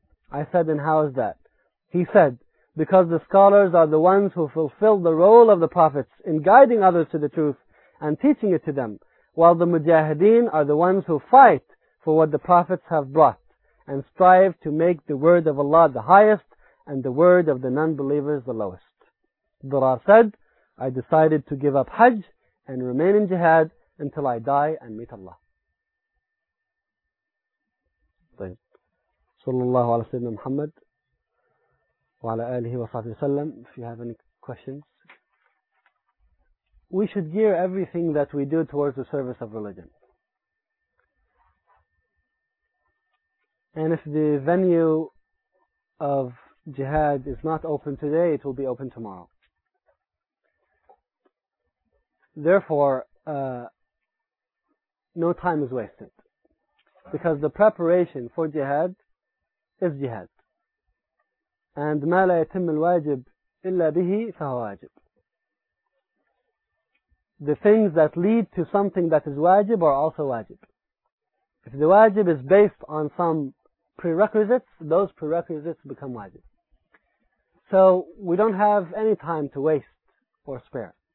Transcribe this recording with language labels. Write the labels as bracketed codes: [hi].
[en] I said, "And how is that?" He said, "Because the scholars are the ones who fulfill the role of the prophets in guiding others to the truth and teaching it to them, while the mujahideen are the ones who fight for what the prophets have brought and strive to make the word of Allah the highest and the word of the non-believers the lowest." Durar said, I decided to give up Hajj and remain in Jihad until I die and meet Allah. [ar] صلى الله على سيدنا محمد وعلى آله وصحبه وسلم. [en] If you have any questions, we should gear everything that we do towards the service of religion. And if the venue of jihad is not open today, it will be open tomorrow. Therefore, no time is wasted, because the preparation for jihad is jihad. And [ar] ما لا يتم الواجب إلا به فهو واجب. [en] The things that lead to something that is wajib are also wajib. If the wajib is based on some prerequisites, those prerequisites become wajib. So we don't have any time to waste or spare.